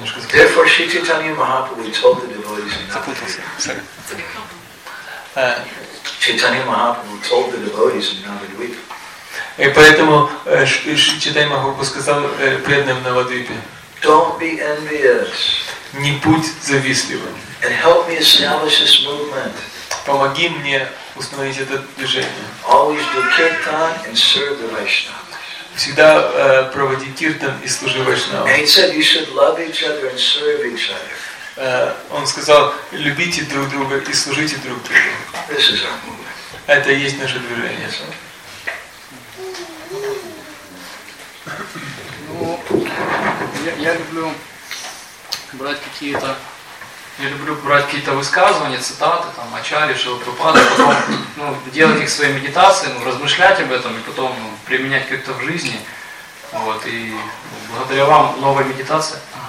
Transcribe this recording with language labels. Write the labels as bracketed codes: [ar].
[en] Therefore, Sri Chaitanya Mahaprabhu told the devotees in that period. Chaitanya Mahaprabhu told the devotees in that week. [ru] И поэтому Шри Чайтанья Махапрабху сказал преданным на Навадвипе: [en] Don't be envious. [ru] Не будь завистливым. [en] And help me establish this movement. [ru] Помоги мне установить это движение. [en] Always do kirtan and serve the Vaishnavas. [ru] Всегда проводи киртан и служи вайшнавам. [en] And he said you should love each other and serve each other. [ru] Он сказал: любите друг друга и служите друг другу. [en] This is our movement. [ru] Это и есть наше движение. Ну, я люблю брать какие-то высказывания, цитаты, там, Ачарьи, Шилапрапады, потом, ну, делать их в своей медитации, ну, размышлять об этом, и потом, ну, применять как-то в жизни, вот, и благодаря вам новая медитация.